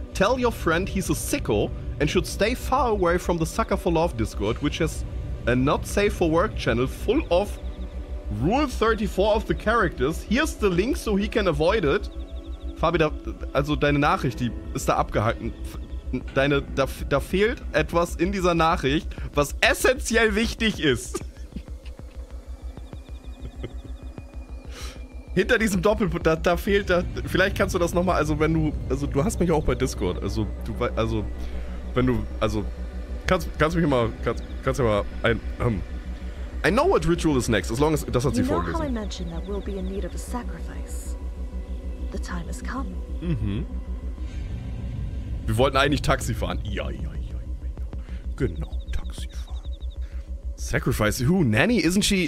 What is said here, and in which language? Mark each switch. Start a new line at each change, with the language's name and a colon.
English: Tell your friend he's a sicko and should stay far away from the Sucker for Love Discord, which has a not safe for work channel full of Rule 34 of the characters. Here's the link so he can avoid it.
German: Fabi, da, also deine Nachricht, die ist da abgehalten. Deine, da fehlt etwas in dieser Nachricht, was essentiell wichtig ist. Hinter diesem Doppelpunkt, da fehlt, da, vielleicht kannst du das nochmal, also wenn du, also du hast mich auch bei Discord, also du, also, wenn du, also, kannst du mich mal, kannst du mal ein,
English: I know what ritual is next, as long as...
German: Das hat sie vorgelesen.
English: You know how I mentioned that we'll be in need of a sacrifice? The time has come.
German: Mhm. Wir wollten eigentlich Taxi fahren. Ja, ja, ja, ja. Genau, Taxi fahren.
English: Sacrifice? Who? Nanny? Isn't she...